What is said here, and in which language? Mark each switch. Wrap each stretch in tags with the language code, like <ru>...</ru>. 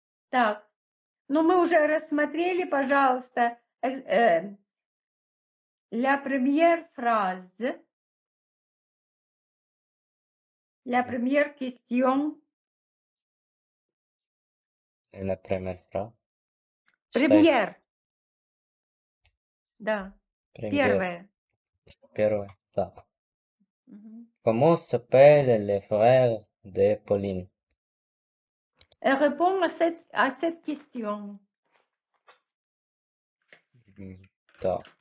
<ru>Так. Но мы уже рассмотрели, пожалуйста,</ru> <fr>la première phrase, la première question, la première phrase,</fr> <ru>première, да, первая, первая, да.</ru> <fr>Comment s'appelle le frère de Pauline? Elle répond à cette question.</fr> <ru>Da.</ru>